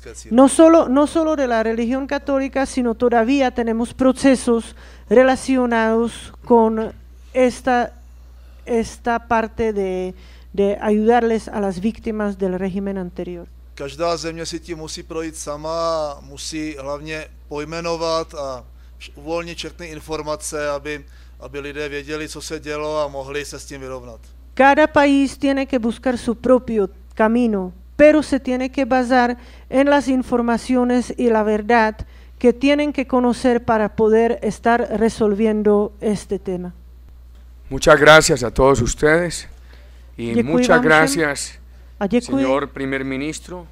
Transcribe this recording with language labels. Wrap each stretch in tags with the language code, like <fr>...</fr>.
<es>No solo de la religión católica, sino todavía tenemos procesos relacionados con esta parte de ayudarles a las víctimas del régimen anterior.</es> <cs>Každá země si tím musí projít sama, musí hlavně pojmenovat a uvolnit všechny informace, aby lidé věděli, co se dělo, a mohli se s tím vyrovnat.</cs> <es>Cada país tiene que buscar su propio camino, pero se tiene que basar en las informaciones y la verdad que tienen que conocer para poder estar resolviendo este tema. Muchas gracias a todos ustedes y muchas gracias, señor primer ministro,</es>